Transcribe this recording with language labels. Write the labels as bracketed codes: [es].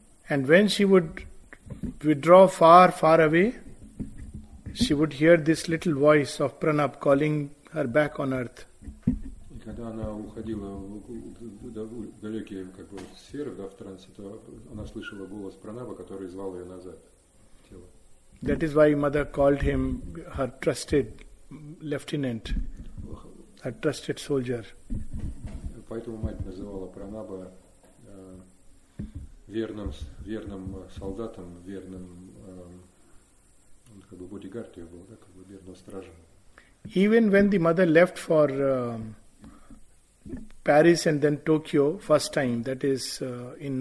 [en] And when she would withdraw far, far away, she would hear this little voice of Pranab calling her back on earth. [ru] Когда она уходила в далекие как бы, сферы, да, в трансе, то она слышала голос Пранаба, который звал ее назад. Тело. [en] That is why mother called him her trusted lieutenant, her trusted soldier. [ru] Поэтому мать называла Пранаба верным солдатом, верным как бы бодигард ее был, да, как бы верным стражем. [en] Even when the mother left for Paris and then Tokyo first time, that is in